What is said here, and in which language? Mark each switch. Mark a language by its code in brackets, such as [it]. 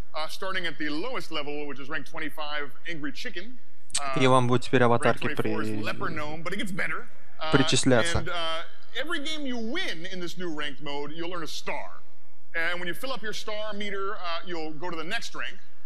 [en] Starting at the lowest level, which is rank 25, Angry Chicken. [ru] И вам будет теперь аватарки причисляться. [en] Every game you win in this new ranked mode, you'll earn a star. And when you fill up your star meter, you'll go to the next rank.